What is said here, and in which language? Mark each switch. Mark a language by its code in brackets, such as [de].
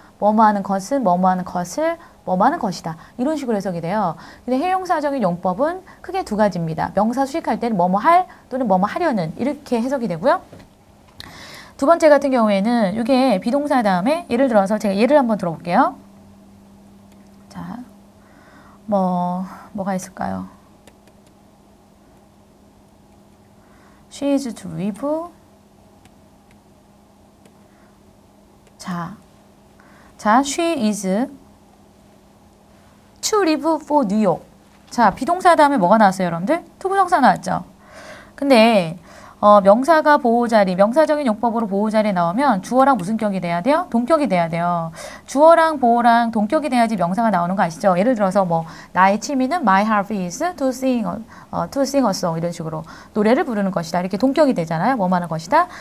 [ko] 뭐뭐 하는 것은 뭐뭐 하는 것을 뭐하는 것이다. 이런 식으로 해석이 돼요. 근데 형용사적인 용법은 크게 두 가지입니다. 명사 수식할 때는 뭐뭐 할 또는 뭐뭐 하려는 이렇게 해석이 되고요. 두 번째 같은 경우에는 이게 비동사 다음에 예를 들어서 제가 예를 한번 들어볼게요. [en] 자, 뭐가 있을까요? She is to weep. 자, she is to live for New York. [ko] 자, 비동사 다음에 뭐가 나왔어요, 여러분들? 투부정사 나왔죠? 근데 명사가 보호자리, 명사적인 용법으로 보호자리에 나오면 주어랑 무슨 격이 돼야 돼요? 동격이 돼야 돼요. 주어랑 보호랑 동격이 돼야지 명사가 나오는 거 아시죠? 예를 들어서 뭐 나의 취미는 [en] my hobby is to sing a song [ko] 이런 식으로 노래를 부르는 것이다. 이렇게 동격이 되잖아요. 뭐하는 것이다.